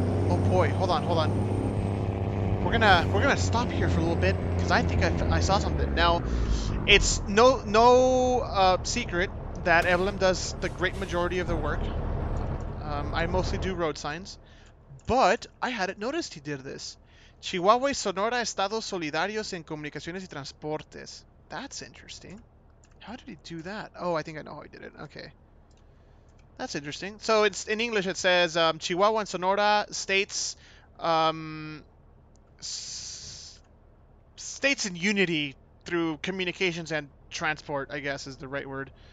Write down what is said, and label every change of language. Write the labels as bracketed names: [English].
[English] Oh boy, hold on. We're gonna stop here for a little bit because I think I saw something. Now, it's no secret that Evelyn does the great majority of the work. I mostly do road signs, But I hadn't noticed he did this. [Spanish] Chihuahua y Sonora, Estados Solidarios en Comunicaciones y Transportes. [English] That's interesting. How did he do that? Oh, I think I know how he did it. Okay. That's interesting. So it's in English it says Chihuahua and Sonora states states in unity through communications and transport, I guess is the right word.